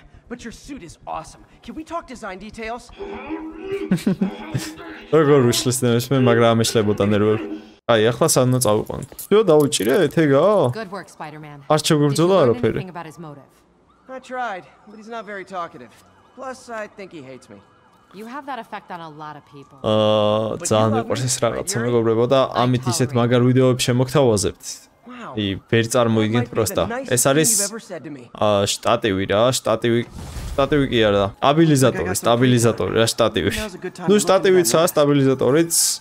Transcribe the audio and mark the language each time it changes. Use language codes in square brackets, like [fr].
[en] But your suit is awesome. Can we talk design details? [ka] როგორ უშლისდნენ მე, მაგრამ ამეშლებოდა ნერვები. აი, ახლა სანდო წავიყვანო. დიო დაუჭირეთ ეგა? არ შეგვიბრძოლა არაფერი. [en] I tried, but he's not very talkative. Plus, I think he hates me. You have that effect on a lot of people. [ka] ძალიან მიყვარს ეს რაღაცა, მეგობრებო, და ამით ისეთ მაგარ ვიდეოებს შემოგთავაზებთ. აი, ვერ წარმოიდგენთ პროსტა. ეს არის შტატივი რა, შტატივი კი არა, აბილიზატორი, სტაბილიზატორი რა შტატივი. Ну, შტატივიცაა, სტაბილიზატორიც.